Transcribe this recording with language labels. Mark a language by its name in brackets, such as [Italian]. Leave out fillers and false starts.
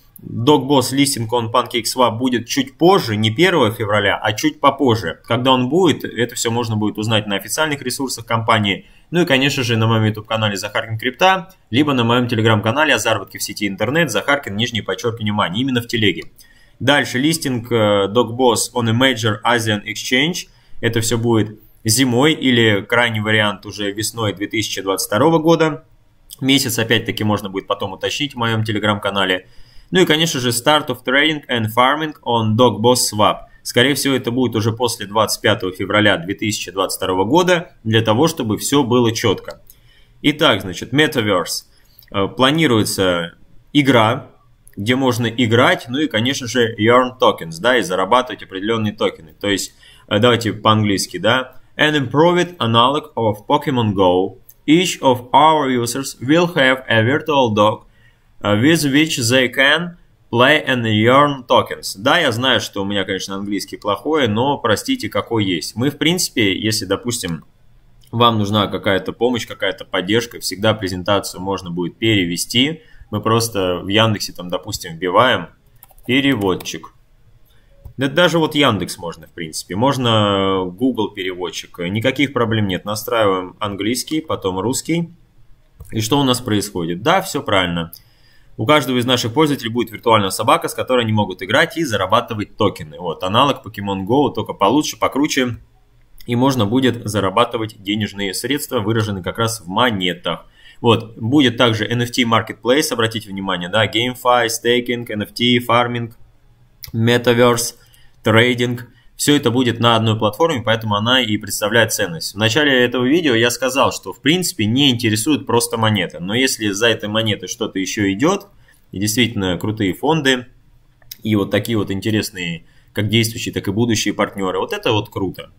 [Russian] DocBoss листинг on PancakeSwap будет чуть позже, не 1 февраля, а чуть попозже. Когда он будет, это все можно будет узнать на официальных ресурсах компании. Ну и, конечно же, на моем YouTube-канале Захаркин Крипта, либо на моем телеграм-канале о заработке в сети интернет Захаркин, нижнее подчеркивание, мани, именно в телеге. Дальше листинг [English] DocBoss on a major Asian exchange. [Russian] Это все будет зимой или крайний вариант уже весной 2022 года. Месяц опять-таки можно будет потом уточнить в моем телеграм-канале. Ну и, конечно же, [English] start of trading and farming on DocBoss Swap. [Russian] Скорее всего, это будет уже после 25 февраля 2022 года, для того, чтобы все было четко. Итак, значит, Metaverse. Планируется игра, где можно играть, ну и, конечно же, [English] earn tokens, [Russian] да, и зарабатывать определенные токены. То есть, давайте по-английски, да. [English] An improved analog of Pokemon Go. Each of our users will have a virtual dog with which they can play and earn tokens. [Russian] Да, я знаю, что у меня, конечно, английский плохой, но простите, какой есть. Мы, в принципе, если, допустим, вам нужна какая-то помощь, какая-то поддержка, всегда презентацию можно будет перевести. Мы просто в Яндексе, там, допустим, вбиваем переводчик. Даже вот Яндекс можно, в принципе. Можно Google переводчик. Никаких проблем нет. Настраиваем английский, потом русский. И что у нас происходит? Да, все правильно. У каждого из наших пользователей будет виртуальная собака, с которой они могут играть и зарабатывать токены. Вот, аналог Pokemon Go, только получше, покруче. И можно будет зарабатывать денежные средства, выраженные как раз в монетах. Вот, будет также NFT Marketplace, обратите внимание, да, GameFi, Staking, NFT, Farming, Metaverse, Trading. Все это будет на одной платформе, поэтому она и представляет ценность. В начале этого видео я сказал, что в принципе не интересует просто монета. Но если за этой монетой что-то еще идет, и действительно крутые фонды, и вот такие вот интересные, как действующие, так и будущие партнеры, вот это вот круто.